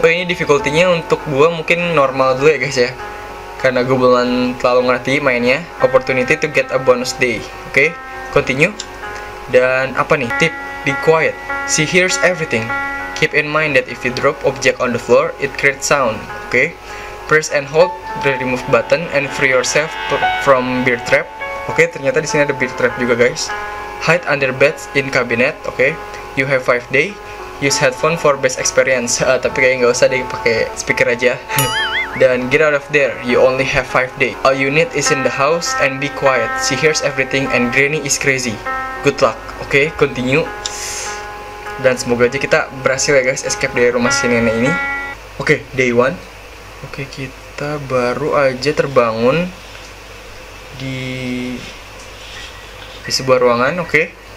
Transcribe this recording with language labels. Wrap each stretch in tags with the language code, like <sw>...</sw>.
<id>Oh, ini difficulty-nya untuk gue mungkin normal dulu ya guys ya. Karena gue belum terlalu ngerti mainnya.</id> <en>Opportunity to get a bonus day. Oke, continue.</en> <id>Dan apa nih?</id> <en>Tip, be quiet. She hears everything. Keep in mind that if you drop object on the floor, it creates sound. Oke. Press and hold the remove button and free yourself from bear trap. Oke,</en> <id>ternyata di sini ada</id> <en>bear trap juga guys. Hide under beds in cabinet. Oke. You have 5 day. Use headphone for best experience.</en> <id>Tapi kayaknya nggak usah deh, pakai speaker aja.</id> <en>Dan get out of there. You only have 5 day. All you need is in the house and be quiet. She hears everything and Granny is crazy. Good luck. Oke, continue.</en> <id>Dan semoga aja kita berhasil ya guys, escape dari rumah si nenek ini. Oke, day 1. Oke, kita baru aja terbangun di sebuah ruangan, oke.</id>